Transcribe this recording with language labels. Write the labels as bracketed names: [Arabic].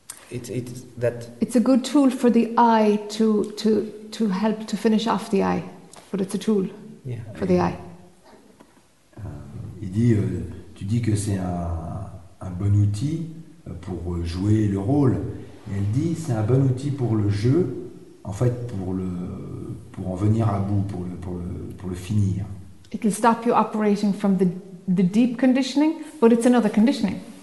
[English] It's a good tool for the eye to help to finish off the eye. But it's a tool for the eye. [French] Il dit, tu dis que c'est un bon outil pour jouer le rôle. Et elle dit, c'est un bon outil pour le jeu, en fait, pour en venir à bout, pour le finir. [English] It will stop you operating from the deep conditioning, but it's another conditioning.